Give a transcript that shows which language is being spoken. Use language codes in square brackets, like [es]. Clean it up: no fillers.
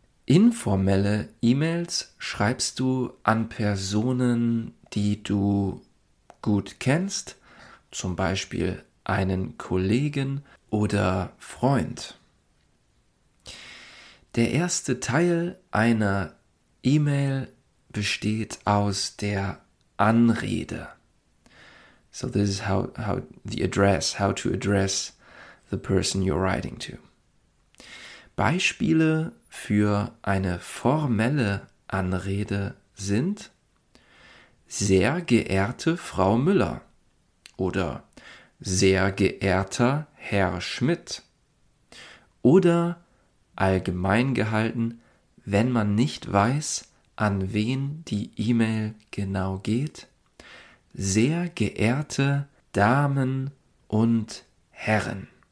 [de] Informelle E-Mails schreibst du an Personen, die du gut kennst, zum Beispiel einen Kollegen oder Freund. Der erste Teil einer E-Mail besteht aus der Anrede. [en] So this is how the address, how to address the person you're writing to. [de] Beispiele für eine formelle Anrede sind sehr geehrte Frau Müller oder sehr geehrter Herr Schmidt oder allgemein gehalten, wenn man nicht weiß, an wen die E-Mail genau geht, sehr geehrte Damen und Herren.